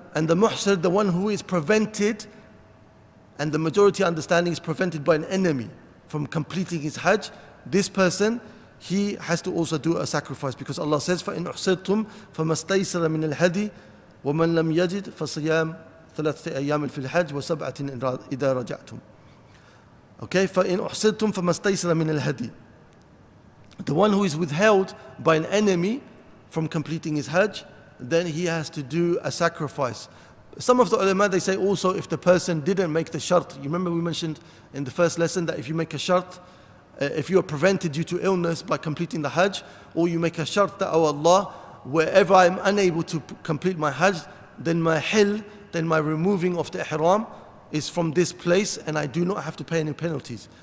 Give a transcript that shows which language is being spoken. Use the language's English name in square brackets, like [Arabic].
[English] And the muhsir, the one who is prevented, and the majority understanding is prevented by an enemy from completing his Hajj, this person, he has to also do a sacrifice, because Allah says, [Arabic] فَإِنْ أُحْصِرْتُمْ فَمَا اسْتَيْسَرَ مِنَ الْهَدِي وَمَنْ لَمْ يَجِدْ فَصِيَامْ ثَلَاثَةِ أَيَّامٍ فِي الْحَجِ وَسَبْعَةٍ إِذَا رَجَعْتُمْ. Okay, فَإِنْ أُحْصِرْتُمْ فَمَا اسْتَيْسَرَ مِنَ الْهَدِي. [English] The one who is withheld by an enemy from completing his Hajj, then he has to do a sacrifice. Some of the ulama, they say also, if the person didn't make the shart, you remember we mentioned in the first lesson that if you make a shart, if you are prevented due to illness by completing the Hajj, or you make a shart that, oh Allah, wherever I'm unable to complete my Hajj, then my hil, then my removing of the ihram is from this place, and I do not have to pay any penalties.